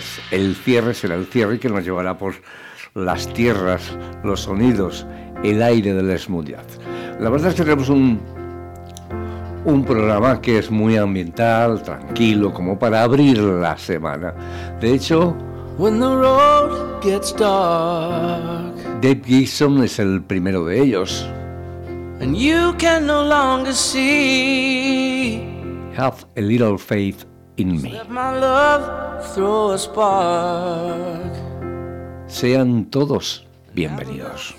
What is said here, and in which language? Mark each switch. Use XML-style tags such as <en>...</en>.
<es>El cierre que nos llevará por las tierras, los sonidos, el aire del smooth jazz. La verdad es que tenemos un programa que es muy ambiental, tranquilo, como para abrir la semana. De hecho,</es> <en>when the road gets dark,</en> <es>Dave Gibson es el primero de ellos.</es> <en>And you can no longer see, have a little faith in me. Let my love throw a spark.</en> <es>Sean todos bienvenidos.</es>